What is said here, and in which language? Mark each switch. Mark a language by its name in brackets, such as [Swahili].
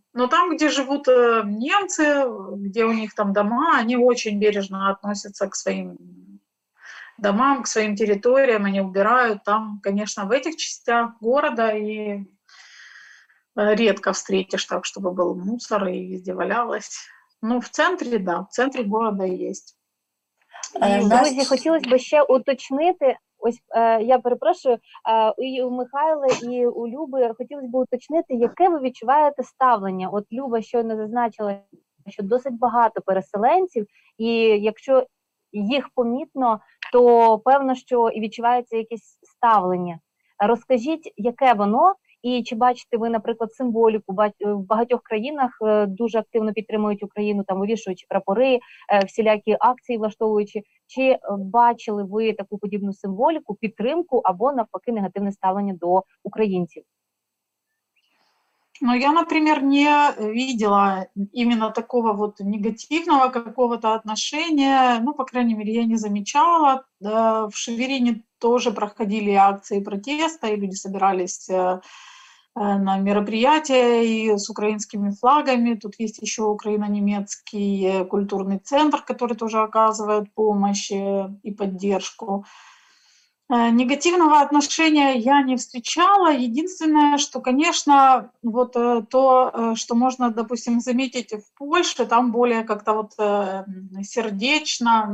[Russian] Но там, где живут немцы, где у них там дома, они очень бережно относятся к своим домам, к своим территориям, они убирают там, конечно, в этих частях города, и редко встретишь так, чтобы был мусор и везде валялось. Ну, в центре, да, в центре города есть. Друзья, хотелось бы еще уточнити... [Ukrainian] Ось я перепрошую, і у Михайла, і у Люби хотілося б уточнити, яке ви відчуваєте ставлення? От Люба щойно зазначила, що досить багато переселенців, і якщо їх помітно, то певно, що і відчувається якесь ставлення. Розкажіть, яке воно, і чи бачите ви, наприклад, символіку? В багатьох країнах дуже активно підтримують Україну, там вивішуючи прапори, всілякі акції влаштовуючи. Чи бачили ви таку подібну символіку, підтримку або, навпаки, негативне ставлення до українців? Ну, я, наприклад, не бачила іменно [Russian] такого вот негативного какого-то [Ukrainian] отношення. [Russian] Ну, по крайней мере, я не замечала. [Ukrainian] В Шевірині теж проходили акції протесту, і люди збиралися на [Russian] мероприятия и с украинскими флагами. Тут есть еще украино-немецкий культурный центр, который тоже оказывает помощь и поддержку. Негативного отношения я не встречала. Единственное, что, конечно, вот то, что можно, допустим, заметить в Польше, там более как-то вот сердечно.